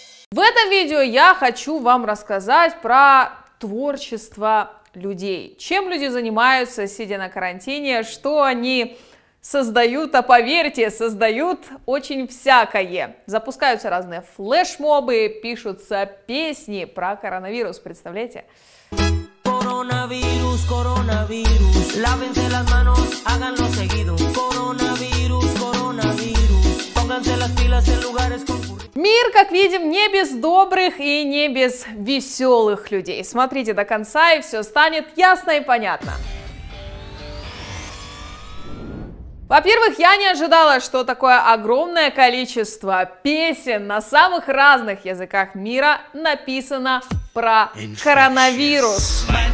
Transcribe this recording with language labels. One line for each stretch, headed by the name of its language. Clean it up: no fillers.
Russian: В этом видео я хочу вам рассказать про творчество людей. Чем люди занимаются, сидя на карантине, что они создают, а поверьте, создают очень всякое. Запускаются разные флешмобы, пишутся песни про коронавирус, представляете?
Spanish: Коронавирус, коронавирус, лавенте las manos, háganlo seguido. Коронавирус, коронавирус, pónganse las pilas en lugares concurridos.
Russian: Мир, как видим, не без добрых и не без веселых людей. Смотрите до конца, и все станет ясно и понятно. Во-первых, я не ожидала, что такое огромное количество песен на самых разных языках мира написано про коронавирус.